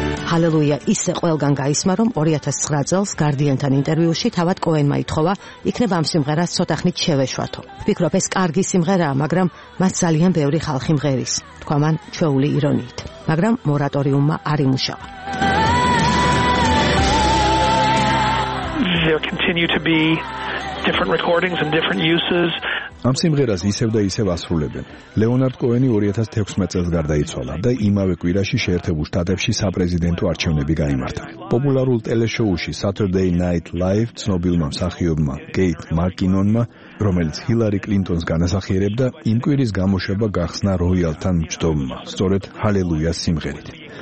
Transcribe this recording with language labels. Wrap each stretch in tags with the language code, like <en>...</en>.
<ka>Halleluja ისე ყველგან გაისმა, რომ 2009 წელს Guardian-თან ინტერვიუში თავად კოენმა ითხოვა, იქნებ ამ სიმღერას ცოტა ხნით შევეშვათო. ვფიქრობ, ეს კარგი სიმღერაა, მაგრამ მას ძალიან ბევრი ხალხი მღერის, თქვა მან ჩვეული ირონიით. მაგრამ მორატორიუმმა არ იმუშავა.</ka> <en>There continue to be different recordings and different uses.</en> <ka>ამ სიმღერას ისევ და ისევ ასრულებენ. ლეონარდ კოენი 2016 წელს გარდაიცვალა და იმავე კვირაში შეერთებულ შტატებში საპრეზიდენტო არჩევნები გაიმართა. პოპულარულ ტელეშოუში Saturday Night Live ცნობილმა მსახიობმა Gate McKinnon-მა, რომელიც Hillary Clinton-ს განასახიერებდა, იმ კვირის გამოშვება გახსნა როიალთან მჯდომმა, სწორედ Halleluja-ს სიმღერით.</ka>